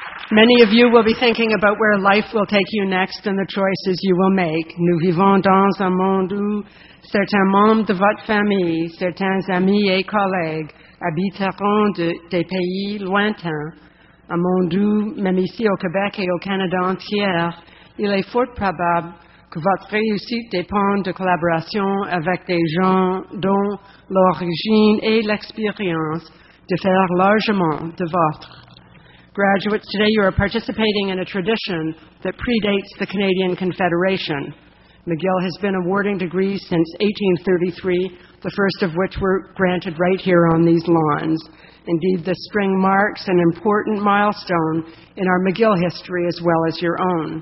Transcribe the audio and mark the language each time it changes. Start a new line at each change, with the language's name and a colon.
English: Many of you will be thinking about where life will take you next and the choices you will make.
French: Nous vivons dans un monde où certains membres de votre famille, certains amis et collègues habiteront des pays lointains. Un monde où, même ici au Québec et au Canada entier, il est fort probable que votre réussite dépende de collaboration avec des gens dont l'origine et l'expérience diffèrent largement de votre.
English: Graduates, today you are participating in a tradition that predates the Canadian Confederation. McGill has been awarding degrees since 1833, the first of which were granted right here on these lawns. Indeed, this spring marks an important milestone in our McGill history as well as your own.